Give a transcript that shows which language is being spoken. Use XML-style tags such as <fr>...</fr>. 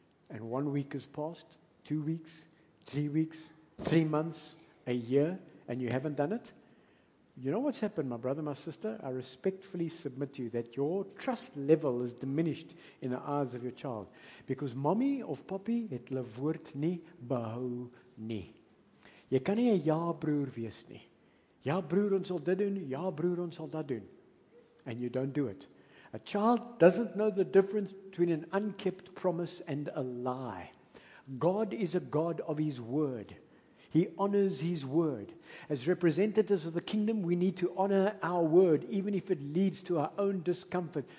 <en>And 1 week has passed, 2 weeks, 3 weeks, 3 months, a year, and you haven't done it? You know what's happened, my brother, my sister? I respectfully submit to you that your trust level is diminished in the eyes of your child. Because</en> <af>mommy of papi het hulle woord nie behou nie. Jy kan nie 'n ja broer wees nie. Ja broer, ons sal dit doen. Ja broer, ons sal dat doen.</af> <en>And you don't do it. A child doesn't know the difference between an unkept promise and a lie. God is a God of His word. He honors His word. As representatives of the kingdom, we need to honor our word, even if it leads to our own discomfort.</en>